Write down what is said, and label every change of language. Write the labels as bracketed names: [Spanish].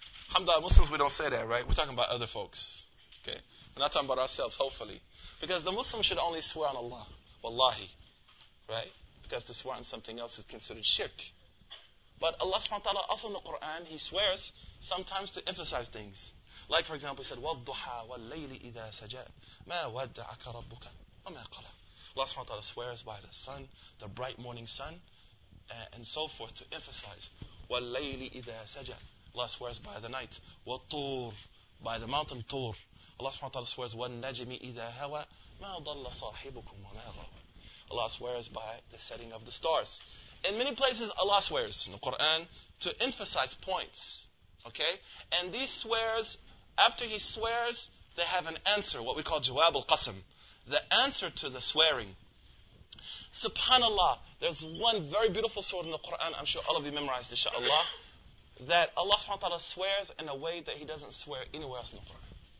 [English] Alhamdulillah, Muslims, we don't say that, right? We're talking about other folks. Okay? We're not talking about ourselves, hopefully. Because the Muslim should only swear on Allah. Wallahi. Right? Because to swear on something else is considered shirk. But Allah subhanahu wa ta'ala, also in the Quran, He swears sometimes to emphasize things. Like, for example, He said, [Arabic] وَالضُّحَى وَاللَّيْلِ إِذَا سَجَى مَا وَدَّعَكَ رَبُّكَ وَمَا قَلَى. [English] Allah subhanahu wa ta'ala swears by the sun, the bright morning sun, and so forth to emphasize. [Arabic] وَاللَّيْلِ إِذَا سَجَى. [English] Allah swears by the night. [Arabic] وَالطُّور. [English] By the mountain Tur. Allah subhanahu wa ta'ala swears, [Arabic] وَالنَّجِمِ إِذَا هَوَى مَا ضَلَّ صَاحِبُكُمْ وَمَا غَوَى. [English] Allah swears by the setting of the stars. In many places, Allah swears in the Quran to emphasize points. Okay? And these swears, after He swears, they have an answer, what we call jawab al-qasam. The answer to the swearing. SubhanAllah, there's one very beautiful surah in the Quran, I'm sure all of you memorized, inshaAllah, that Allah subhanahu wa ta'ala swears in a way that He doesn't swear anywhere else in the Quran.